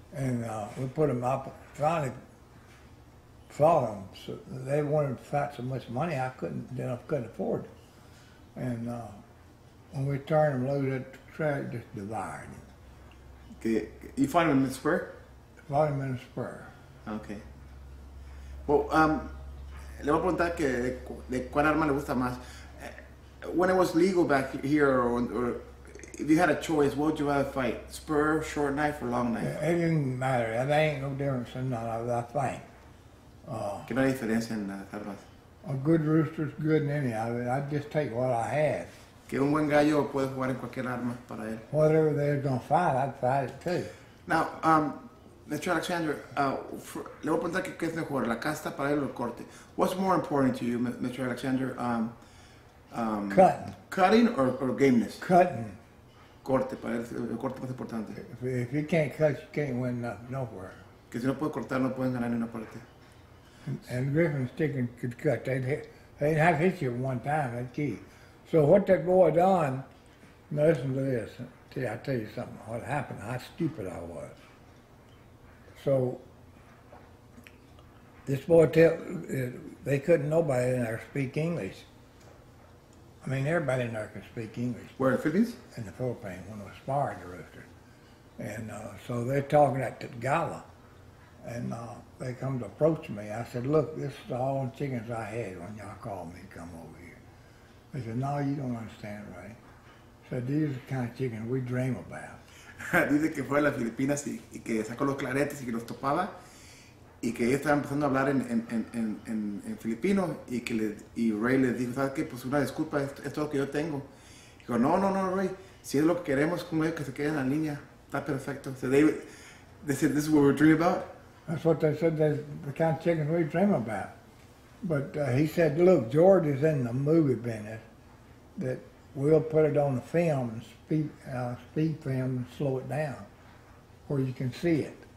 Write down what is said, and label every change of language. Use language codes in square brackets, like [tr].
[en] And we put him up, finally fought him. So they wanted to fight so much money, I couldn't afford it. And when we turned him loose, that track just devoured him. You find him in the spur? Find him in the spur. Okay. [es] Well, le voy a preguntar que de cuál arma le gusta más. [en] When it was legal back here, or if you had a choice, what would you rather fight? Spur, short knife, or long knife? It didn't matter. That ain't no difference in none of that fight. [es] ¿Qué no hay diferencia en las armas? [en] A good rooster's good in any of it. I'd just take what I had. [es] Que un buen gallo puede jugar en cualquier arma para él. [en] Whatever they're gonna fight, I'd fight it too. Now, Mr. [es] Alexander, le voy a preguntar qué es mejor, la casta para él o el corte. [en] What's more important to you, Mr. Alexander? Cutting or gameness? Cutting. [es] Corte, para él, el corte más importante. [en] If you can't cut, you can't win nowhere. [es] Que si no puede cortar, no pueden ganar en una parte. [en] And Griffin sticking could cut. They'd have hit you one time, that key. So what that boy done, now listen to this. I tell you something, what happened, how stupid I was. So this boy, they couldn't, nobody in there speak English. I mean, everybody in there could speak English. Where, the Philippines? In the Philippines, when I was sparring the rooster. And so they're talking at Tagala. And they come to approach me. I said, look, this is all the chickens I had when y'all called me to come over here. They said, no, you don't understand, right? So these are the kind of chickens we dream about. [es] Dice que fue a las Filipinas y que sacó los claretes y que los topaba y que ellos estaban empezando a hablar en filipino y que le, y Ray les dijo, ¿sabes qué? Pues una disculpa, esto es lo que yo tengo. Y dijo, no, Ray, si es lo que queremos, como ellos que se queden en la línea, está perfecto. [en] So they said, this is what we dream about. That's what they said, that's the kind of chicken we dream about. But he said, look, George is in the movie business, that we'll put it on the film and speed film and slow it down where you can see it.